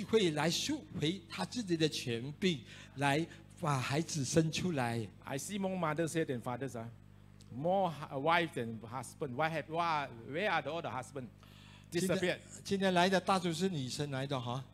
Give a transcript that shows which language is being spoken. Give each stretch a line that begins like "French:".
Chinese: 因为上帝要给我们这个机会来赎回他自己的权柄， 来把孩子生出来。
English: I see more mothers here than fathers. More wife than husband. Why have, why, where are all the husbands? Disappeared.
Chinese: 今天来的大多数是女生来的, huh?